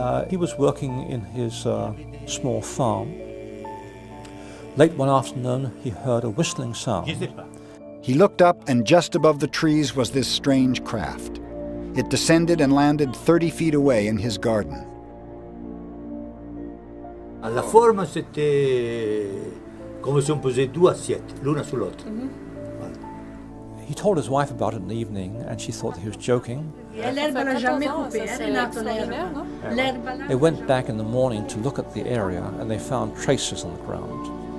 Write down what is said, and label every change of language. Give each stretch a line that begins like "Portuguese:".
English: He was working in his small farm. Late one afternoon, he heard a whistling sound. He looked up, and just above the trees was this strange craft. It descended and landed 30 feet away in his garden.
French: La forme, c'était comme si on posait deux assiettes, l'une sur l'autre.
English: He told his wife about it in the evening, and she thought that he was joking. They went back in the morning to look at the area, and they found traces on the ground.